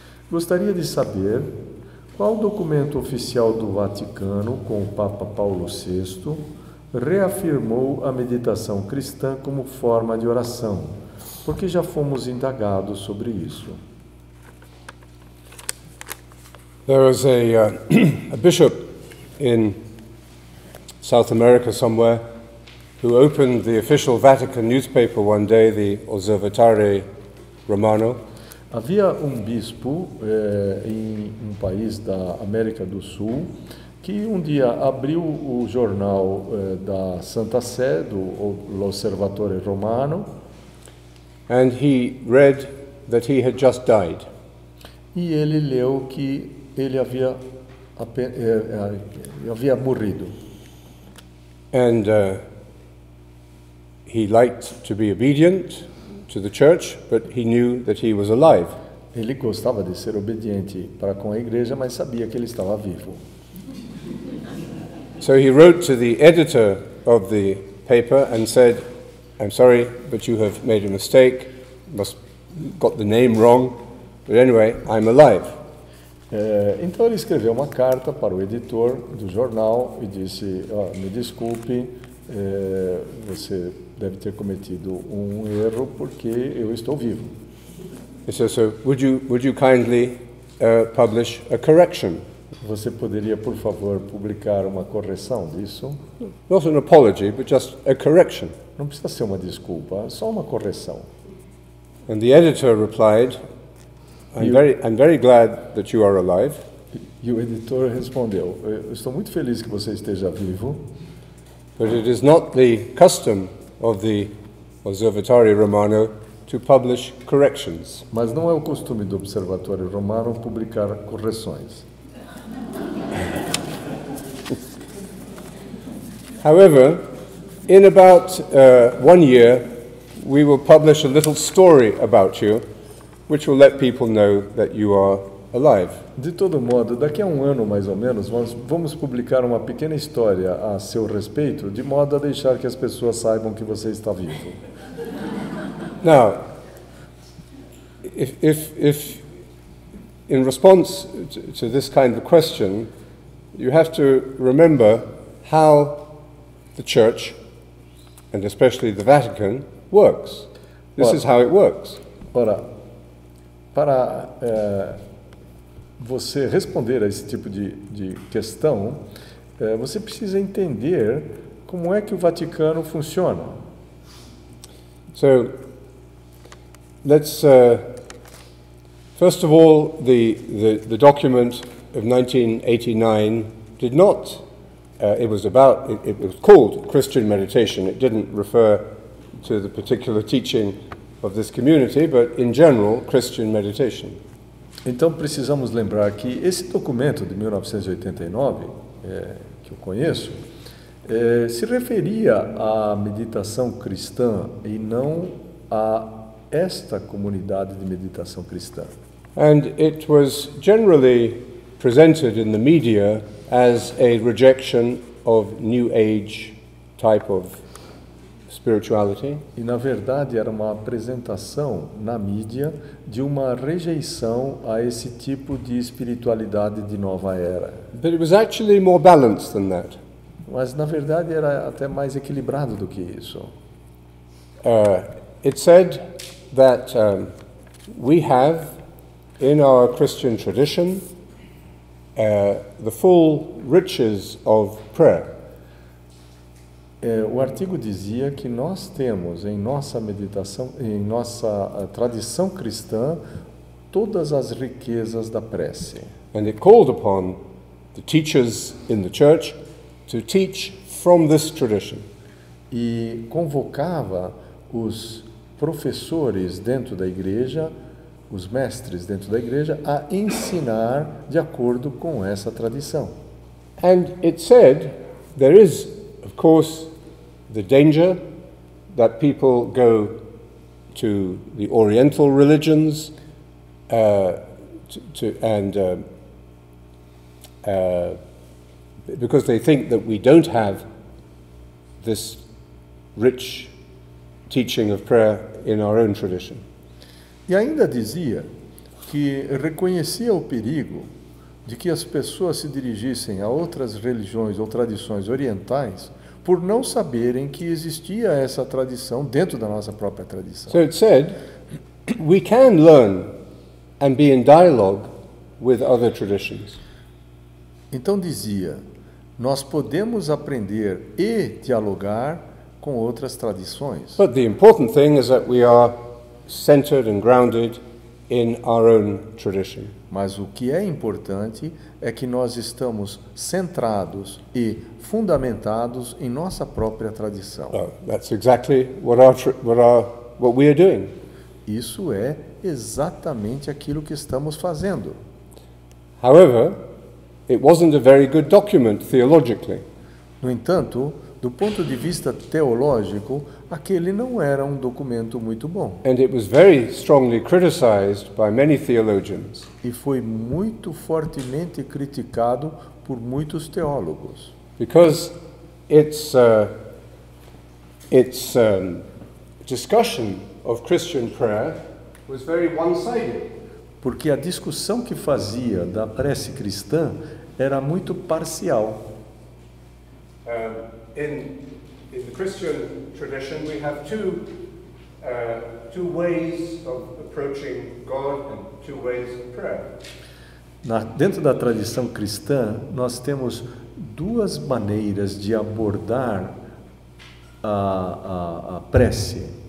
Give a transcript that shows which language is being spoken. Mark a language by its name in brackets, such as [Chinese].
[Portuguese] Gostaria de saber qual documento oficial do Vaticano com o Papa Paulo VI reafirmou a meditação cristã como forma de oração, porque já fomos indagados sobre isso. [English] There was a bishop in South America somewhere who opened the official Vatican newspaper one day, the Osservatore Romano. [Portuguese] Havia um bispo em um país da América do Sul que um dia abriu o jornal da Santa Sé, do L'Osservatore Romano, [English] and he read that he had just died. [Portuguese] E ele leu que ele havia morrido. [English] And he liked to be obedient to the church, but he knew that he was alive. [Portuguese] Ele gostava de ser obediente para com a Igreja, mas sabia que ele estava vivo. [English] So he wrote to the editor of the paper and said, I'm sorry, but you have made a mistake, must got the name wrong, but anyway, I'm alive. [Portuguese] Então ele escreveu uma carta para o editor do jornal e disse, oh, me desculpe, você deve ter cometido um erro porque eu estou vivo. [English] He said, so would you kindly publish a correction? [Portuguese] Você poderia, por favor, publicar uma correção disso? [English] Not an apology, but just a correction. [Portuguese] Não precisa ser uma desculpa, só uma correção. [English] And the editor replied, I'm very glad that you are alive. [Portuguese] E o editor respondeu, eu estou muito feliz que você esteja vivo. [English] But it is not the custom of the Osservatorio Romano to publish corrections. [Portuguese] Mas não é o costume do Observatório Romano publicar correções. [English] However, in about 1 year, we will publish a little story about you, which will let people know that you are alive. [Portuguese] De todo modo, daqui a 1 ano mais ou menos, vamos publicar uma pequena história a seu respeito, de modo a deixar que as pessoas saibam que você está vivo. [English] Now, if in response to this kind of question, you have to remember how the church, and especially the Vatican, works. This is how it works. [Portuguese] Ora, para você responder a esse tipo de questão, você precisa entender como é que o Vaticano funciona. [English] So, let's first of all, the document of 1989 did not. It was called Christian Meditation. It didn't refer to the particular teaching of this community, but in general, Christian Meditation. [Portuguese] Então precisamos lembrar que esse documento de 1989, que eu conheço, se referia à meditação cristã e não a esta comunidade de meditação cristã. [English] And it was generally presented in the media as a rejection of New Age type of spirituality. [Portuguese] E na verdade era uma apresentação na mídia de uma rejeição a esse tipo de espiritualidade de nova era. [English] But it was actually more balanced than that. [Portuguese] Mas na verdade era até mais equilibrado do que isso. [English] It said that we have in our Christian tradition the full riches of prayer. [Portuguese] O artigo dizia que nós temos em nossa meditação, em nossa tradição cristã, todas as riquezas da prece. [English] And it called upon the teachers in the church to teach from this tradition. [Portuguese] E convocava os professores dentro da igreja, os mestres dentro da igreja, a ensinar de acordo com essa tradição. [English] And it said there is, of course, the danger that people go to the Oriental religions because they think that we don't have this rich teaching of prayer in our own tradition. [Portuguese] E ainda dizia que reconhecia o perigo de que as pessoas se dirigissem a outras religiões ou tradições orientais por não saberem que existia essa tradição dentro da nossa própria tradição. [English] So it said, we can learn and be in dialogue with other traditions. [Portuguese] Então dizia, nós podemos aprender e dialogar com outras tradições. [English] But the important thing is that we are centered and grounded in our own tradition. [Portuguese] Mas o que é importante é que nós estamos centrados e fundamentados em nossa própria tradição. [English] Oh, that's exactly what we are doing. [Portuguese] Isso é exatamente aquilo que estamos fazendo. [English] However, it wasn't a very good document theologically. [Portuguese] No entanto, do ponto de vista teológico, aquele não era um documento muito bom. [English] And it was very strongly criticized by many theologians. [Portuguese] E foi muito fortemente criticado por muitos teólogos. [English] Because its its discussion of Christian prayer was very one-sided. [Portuguese] Porque a discussão que fazia da prece cristã era muito parcial. [English] In the Christian tradition, we have two ways of approaching God and two ways of prayer. [Portuguese] Dentro da tradição cristã, nós temos duas maneiras de abordar a prece.